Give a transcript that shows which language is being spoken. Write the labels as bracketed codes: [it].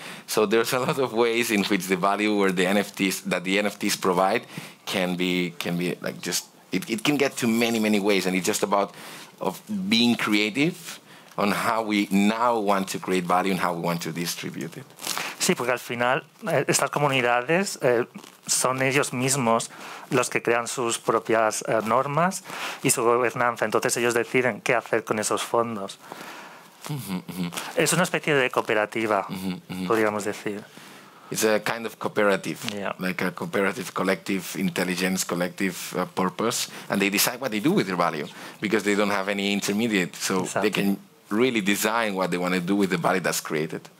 [en] So there's a lot of ways in which the value where the NFTs that the NFTs provide can be like just it can get to many, many ways, and it's just about of being creative on how we now want to create value and how we want to distribute it. [es] Sí, porque al final estas comunidades son ellos mismos los que crean sus propias normas y su gobernanza. Entonces ellos deciden qué hacer con esos fondos. Es una especie de cooperativa, podríamos decir. [en] It's a kind of cooperative, like a cooperative, collective intelligence, collective purpose, and they decide what they do with their value because they don't have any intermediate, so exactly. They can really design what they want to do with the value that's created.